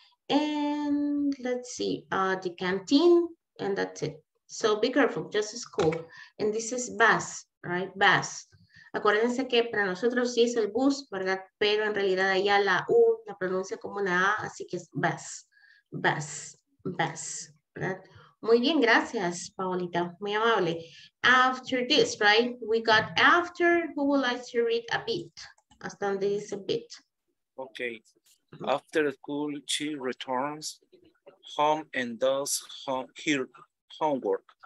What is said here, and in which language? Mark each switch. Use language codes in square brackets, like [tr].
[en] And let's see, the canteen, and that's it. So be careful, just school. And this is bus, right? Bus. [es] Acuérdense que para nosotros sí es el bus, ¿verdad? Pero en realidad allá la U la pronuncia como una A, así que es bus, ¿verdad? Muy bien, gracias, Paolita, muy amable. [en] After this, right? We got after, who would like to read a bit? [es] Hasta donde dice a bit. [en] Okay, after school, she returns home and does her homework.